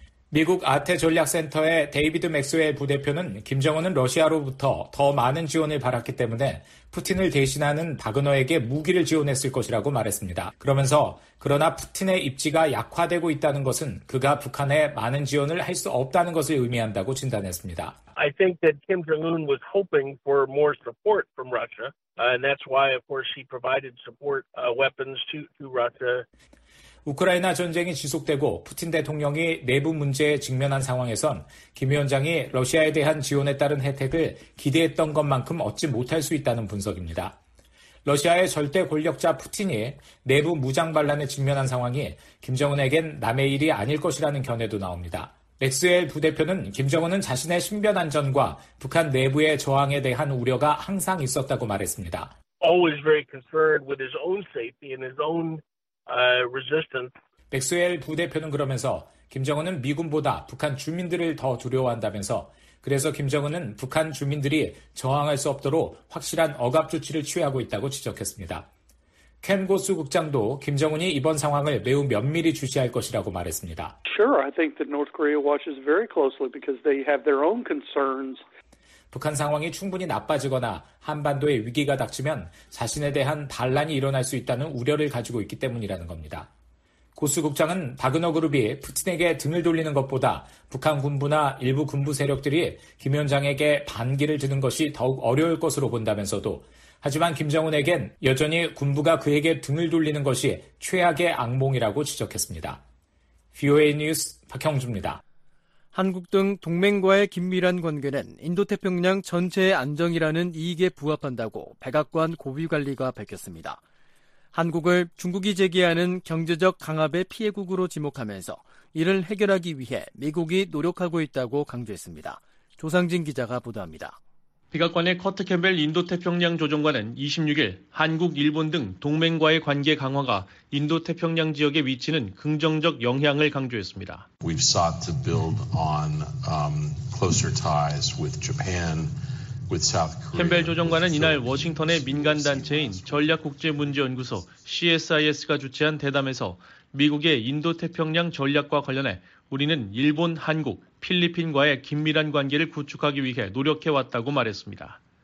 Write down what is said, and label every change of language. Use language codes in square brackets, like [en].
[ko] 미국 아태 전략센터의 데이비드 맥스웰 부대표는 김정은은 러시아로부터 더 많은 지원을 받았기 때문에 푸틴을 대신하는 바그너에게 무기를 지원했을 것이라고 말했습니다. 그러면서 그러나 푸틴의 입지가 약화되고 있다는 것은 그가 북한에 많은 지원을 할 수 없다는 것을 의미한다고 진단했습니다. [en] I think that Kim Jong-un was hoping for more support from Russia, and that's why, of course, he provided support weapons to Russia. [ko] 우크라이나 전쟁이 지속되고 푸틴 대통령이 내부 문제에 직면한 상황에선 김 위원장이 러시아에 대한 지원에 따른 혜택을 기대했던 것만큼 얻지 못할 수 있다는 분석입니다. 러시아의 절대 권력자 푸틴이 내부 무장 반란에 직면한 상황이 김정은에겐 남의 일이 아닐 것이라는 견해도 나옵니다. 맥스웰 부대표는 김정은은 자신의 신변 안전과 북한 내부의 저항에 대한 우려가 항상 있었다고 말했습니다. [en] Always very concerned with his own safety and his own resistance. [ko] 맥스웰 부대표는 그러면서 김정은은 미군보다 북한 주민들을 더 두려워한다면서 그래서 김정은은 북한 주민들이 저항할 수 없도록 확실한 억압 조치를 취하고 있다고 지적했습니다. 켄 고스 국장도 김정은이 이번 상황을 매우 면밀히 주시할 것이라고 말했습니다. [en] Sure, I think that North Korea watches very closely because they have their own concerns. [ko] 북한 상황이 충분히 나빠지거나 한반도에 위기가 닥치면 자신에 대한 반란이 일어날 수 있다는 우려를 가지고 있기 때문이라는 겁니다. 고스 국장은 바그너 그룹이 푸틴에게 등을 돌리는 것보다 북한 군부나 일부 군부 세력들이 김 위원장에게 반기를 드는 것이 더욱 어려울 것으로 본다면서도 하지만 김정은에겐 여전히 군부가 그에게 등을 돌리는 것이 최악의 악몽이라고 지적했습니다. VOA 뉴스 박형주입니다. 한국 등 동맹과의 긴밀한 관계는 인도태평양 전체의 안정이라는 이익에 부합한다고 백악관 고위관리가 밝혔습니다. 한국을 중국이 제기하는 경제적 강압의 피해국으로 지목하면서 이를 해결하기 위해 미국이 노력하고 있다고 강조했습니다. 조상진 기자가 보도합니다. 백악관의 커트 캠벨 인도태평양 조정관은 26일 한국, 일본 등 동맹과의 관계 강화가 인도태평양 지역에 미치는 긍정적 영향을 강조했습니다. [en] We've sought to build on closer ties with Japan. [ko] 캠벨 조정관은 이날 워싱턴의 민간단체인 전략국제문제연구소 CSIS가 주최한 대담에서 미국의 인도태평양 전략과 관련해 우리는 일본, 한국, 필리핀과의 긴밀한 관계를 구축하기 위해 노력해왔다고 말했습니다.